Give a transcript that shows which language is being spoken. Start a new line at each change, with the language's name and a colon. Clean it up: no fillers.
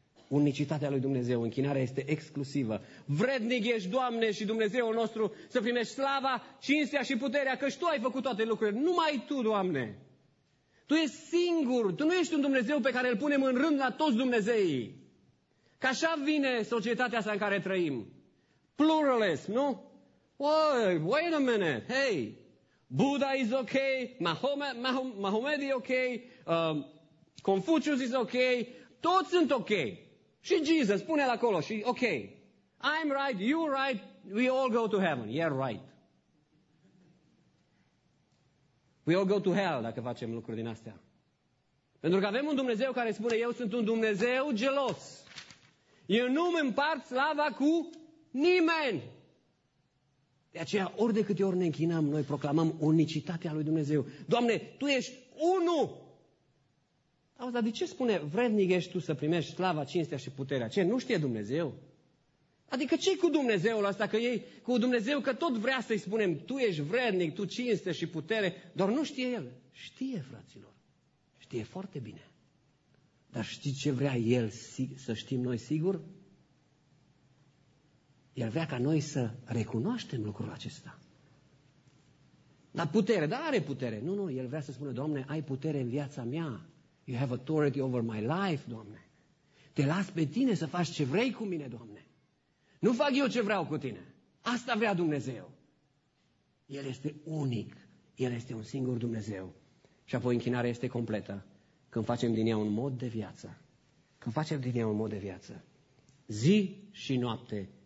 Romanian: Unicitatea lui Dumnezeu, închinarea este exclusivă. Vrednic ești, Doamne și Dumnezeul nostru, să primești slava, cinstea și puterea, căci Tu ai făcut toate lucrurile, numai Tu, Doamne. Tu ești singur, Tu nu ești un Dumnezeu pe care îl punem în rând la toți dumnezeii. Că așa vine societatea asta în care trăim. Pluralism, nu?
English: Oh, wait a minute, hey! Buddha is okay, Mahomet is okay, Confucius is okay,
Romanian: toți sunt okay. Și Jesus, pune-l acolo și okay.
English: I'm right, you're right, we all go to heaven. You're right. We all go to hell
Romanian: dacă facem lucruri din astea. Pentru că avem un Dumnezeu care spune, eu sunt un Dumnezeu gelos. Eu nu-mi împart slava cu nimeni. De aceea, ori de câte ori ne închinăm, noi proclamăm unicitatea lui Dumnezeu. Doamne, Tu ești unul! Auzi, dar de ce spune vrednic ești Tu să primești slava, cinstea și puterea? Ce, nu știe Dumnezeu? Adică ce cu Dumnezeul ăsta? Că ei, cu Dumnezeu, că tot vrea să-i spunem Tu ești vrednic, Tu cinste și putere, doar nu știe El. Știe, fraților. Știe foarte bine. Dar știi ce vrea El să știm noi sigur? El vrea ca noi să recunoaștem lucrul acesta. Dar putere, dar are putere. Nu, El vrea să spună, Doamne, ai putere în viața mea.
English: You have authority over my life, Doamne.
Romanian: Te las pe Tine să faci ce vrei cu mine, Doamne. Nu fac eu ce vreau cu Tine. Asta vrea Dumnezeu. El este unic. El este un singur Dumnezeu. Și apoi închinarea este completă. Când facem din ea un mod de viață. Când facem din ea un mod de viață. Zi și noapte.